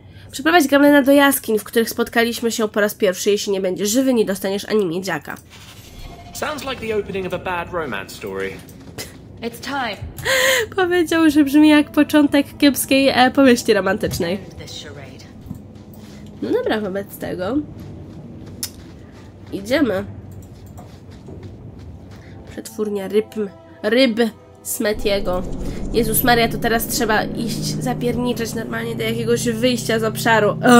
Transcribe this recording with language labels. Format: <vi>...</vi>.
<pl>Przeprowadź Gamlena do jaskiń, w których spotkaliśmy się po raz pierwszy. Jeśli nie będziesz żywy, nie dostaniesz ani miedziaka.</pl> <en>Sounds like the opening of a bad romance story. It's time.</en> <pl>Powiedział, że brzmi jak początek kiepskiej powieści romantycznej. No dobra, wobec tego idziemy. Przetwórnia ryb Smetiego. Jezus Maria, to teraz trzeba iść zapierniczać normalnie do jakiegoś wyjścia z obszaru.</pl>